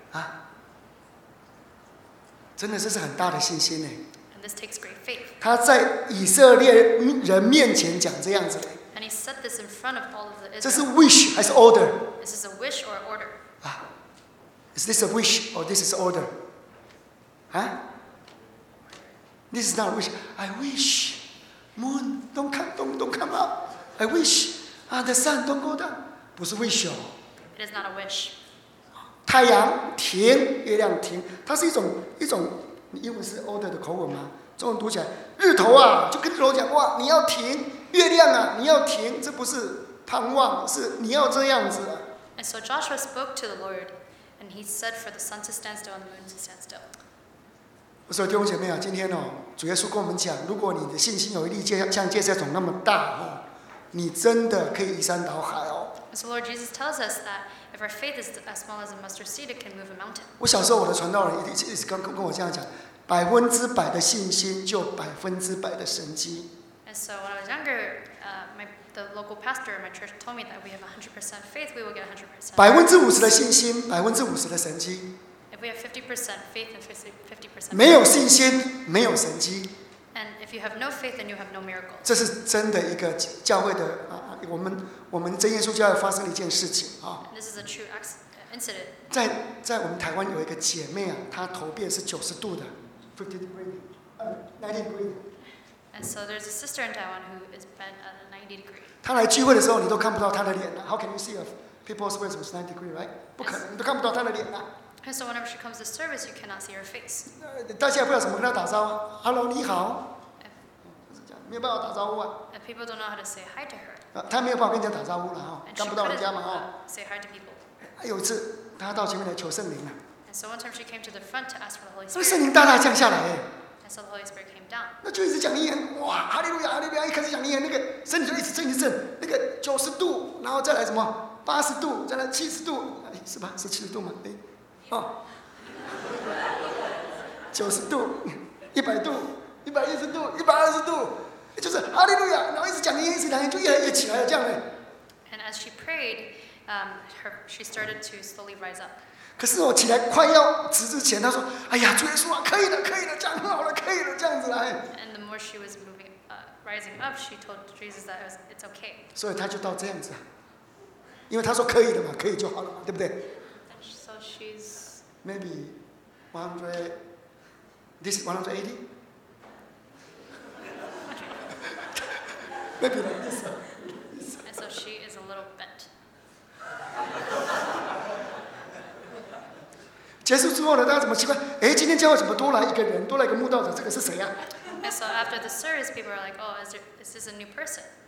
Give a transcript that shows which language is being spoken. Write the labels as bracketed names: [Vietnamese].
[Chinese] 啊，真的这是很大的信心呢。 [English] And this takes great faith. [Chinese] 他在以色列人面前讲这样子的。 [English] And he said this in front of all of the Israelites. [Chinese] 这是 wish 还是 order？ [English] Is this a wish or order？啊。 Is this a wish or this is order? Huh? This is not a wish. I wish moon don't come up. I wish the sun don't go down. [Chinese] 不是 [English] wish 哦。 It is not a wish. [Chinese] 太阳停，月亮停，它是一种，英文是 order 的口吻吗？中文读起来，日头啊，就跟日头讲哇，你要停；月亮啊，你要停。这不是盼望，是你要这样子。 [English] And so Joshua spoke to the Lord. And he said for the sun to stand still and the moon to stand still. [Chinese] 我说弟兄姐妹啊，今天哦，主耶稣跟我们讲，如果你的信心有力，像芥菜种那么大哦，你真的可以移山倒海哦。 [English] So Lord Jesus tells us that if our faith is as small as a mustard seed, it can move a mountain. [Chinese] 我小时候我的传道人一直跟我这样讲，百分之百的信心就百分之百的神迹。 [English] And so when I was younger, The local pastor in my church told me that we have 100% faith, we will get 100%. [Chinese] 50% 的信心，50% 的神迹。 [English] If we have 50% faith and 50%. [Chinese] 没有信心，没有神迹。 [English] And if you have no faith, then you have no miracle. [Chinese] 这是真的一个教会的我们真耶稣教会发生了一件事情啊。 [English] This is a true incident. [Chinese] 在我们台湾有一个姐妹啊，她头变是90度的 ， [English] 50 degree, 90 degree. And so there's a sister in Taiwan who is bent at a 90 degree. [Chinese] 她来聚会的时候，你都看不到她的脸了。 [English] How can you see a people's face with 90 degree, right? [Chinese] 不可能，你都看不到她的脸了。 [English] And so whenever she comes to service, you cannot see her face. [Chinese] 大家也不知道怎么跟她打招呼。 Hello, 你好。没有办法打招呼啊。 [English] And people don't know how to say hi to her. [Chinese] 她没有办法跟人家打招呼了哈，看不到人家嘛哈。 [English] Say hi to people. [Chinese] 有一次，她到前面来求圣灵了。 [English] And so one time she came to the front to ask for the Holy Spirit. [Chinese] 圣灵大大降下来。 [English] And so the Holy Spirit came down. [Chinese] 那就一直讲预言，哇，哈利路亚，哈利路亚，一开始讲预言，那个身体就一直震一直震，那个九十度，然后再来什么八十度，再来七十度，哎，是吧？是七十度吗？哎，哦，九十度，一百度，一百一十度，一百二十度，就是哈利路亚，然后一直讲预言，一直讲预言，就越来越起来了，这样哎。 [English] And as she prayed, she started to slowly rise up. [Chinese] 可是我起来快要直之前，她说：“哎呀，主耶稣啊，可以了，可以了，这样很好了，可以了，这样子来。” [English] And the more she was moving, rising up, she told Jesus that it's okay. [Chinese] 所以她就到这样子，因为她说可以的嘛，可以就好了，对不对 [English] ？So she's maybe 100. This is 180. Maybe like this. And so she is a little bent. [Chinese] 结束之后呢，大家怎么奇怪？哎，今天教会怎么多来一个人，多来一个慕道者？这个是谁呀、 [English] 啊、？So after the service, people are like, "Oh, is this a new person?"